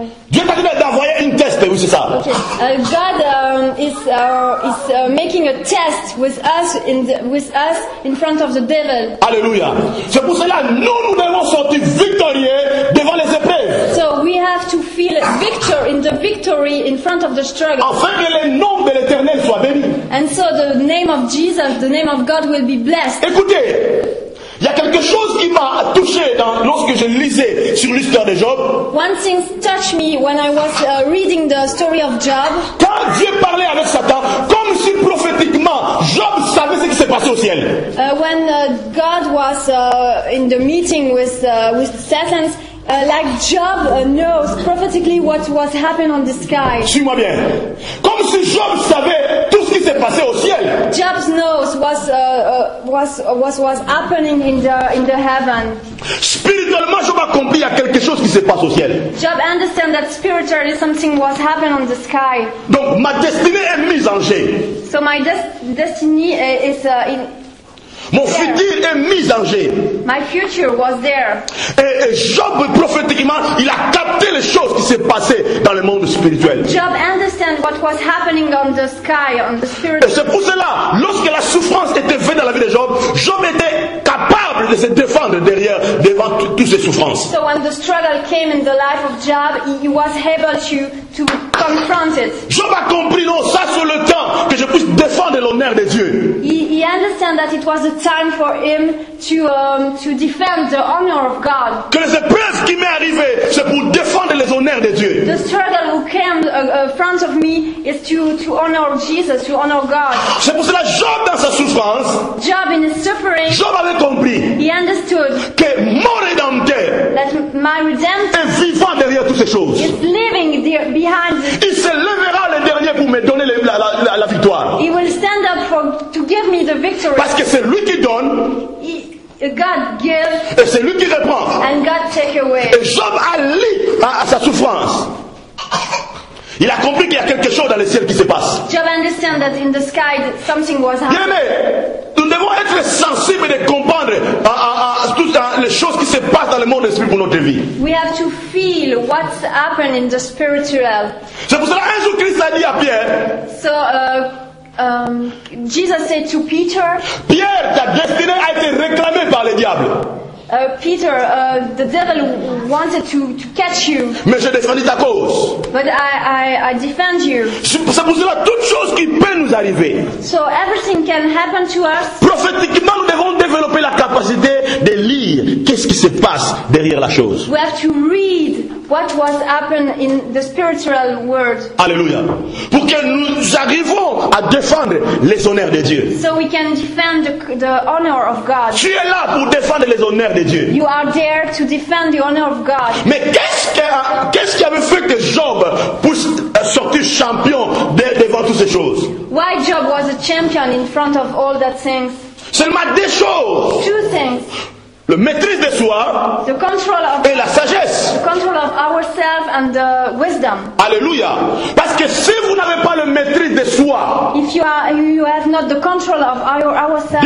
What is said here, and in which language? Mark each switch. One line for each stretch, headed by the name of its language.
French: Dieu est en train d'envoyer une test, oui c'est ça. Okay.
English: God is making a test with us in front of the devil. Alléluia.
French: C'est pour cela nous devons sortir victorieux devant les épreuves.
English: So we have to feel victor in the victory in front of the struggle.
French: Afin que le nom de l'Éternel soit béni.
English: And so the name of Jesus, the name of God will be blessed.
French: Écoutez. Il y a quelque chose qui m'a touché lorsque je lisais sur l'histoire de Job.
English: One thing touched me when I was reading the story of Job.
French: Quand Dieu parlait avec Satan, comme si prophétiquement Job savait ce qui s'est passé au ciel.
English: When God was in the meeting with Satan, like Job knows prophetically what was happening on the sky.
French: Suis-moi bien. Comme si Job savait tout ce qui s'est passé au ciel.
English: Job knows what was happening in the heaven.
French: Spirituellement, Job a compris il y a quelque chose qui se passe au ciel.
English: Job understand that spiritually something was happening on the sky.
French: Donc ma destinée est mise en jeu.
English: So my destiny is in.
French: Mon futur est mis en jeu.
English: My future was there.
French: Et Job prophétiquement, il a capté les choses qui s'est passé dans le monde spirituel.
English: Job understand what was happening on the sky, on the spiritual.
French: Et c'est pour cela, lorsque la souffrance était venue dans la vie de Job, Job était capable de se défendre devant toutes ces souffrances.
English: So when the struggle came in the life of Job, he was able to confront it.
French: Job a compris non, ça c'est le temps que je puisse défendre l'honneur de Dieu.
English: He understand that it was a time for him to defend the honor of God.
French: Que les épreuves qui m'est arrivé, c'est pour défendre les honneurs de Dieu.
English: The struggle who came in front of me is to honor Jesus, to honor God.
French: C'est pour cela Job dans sa souffrance.
English: Job in his suffering.
French: Job avait compris.
English: He understood.
French: Que mon rédempteur.
English: That my redemption.
French: Est vivant derrière toutes ces choses.
English: Is living behind.
French: Il se lèvera le dernier pour me donner la victoire.
English: He will stand up to give me the victory.
French: Parce que c'est lui qui donne.
English: God gives.
French: Et c'est lui qui reprend.
English: And God take away.
French: Et Job a lu à sa souffrance. Il a compris qu'il y a quelque chose dans le ciel qui se passe.
English: Job understand that in the sky something was happening.
French: Bien aimé, nous devons être sensibles de comprendre à les choses qui se passent dans le monde esprit pour notre vie.
English: We have to feel what's happening in the spiritual.
French: C'est pour cela que Jésus-Christ a dit à Pierre.
English: So, Jesus said to Peter,
French: Pierre, ta destinée a été réclamée par le diable.
English: Peter, the devil wanted to catch you.
French: Mais j'ai défendu ta cause.
English: But I defend you.
French: C'est pour cela toute chose qui peut nous arriver.
English: So everything can happen to us.
French: Prophétiquement, nous devons développer la capacité de lire qu'est-ce qui se passe derrière la chose.
English: We have to read what was happened in the spiritual world. Alléluia.
French: Pour que nous arrivions à défendre les honneurs de Dieu.
English: So we can defend the honor of God.
French: Tu es là pour défendre les honneurs.
English: You are there to defend the honor of God.
French: Mais qu'est-ce qui avait fait que Job puisse sortir champion de toutes ces choses?
English: Why Job was a champion in front of all that things?
French: Seulement deux choses.
English: Two things.
French: Le maîtrise de soi et la sagesse.
English: The control of ourselves and the wisdom. Alléluia.
French: Parce que si vous n'avez pas le maîtrise de soi,
English: if you have not the control of ourselves,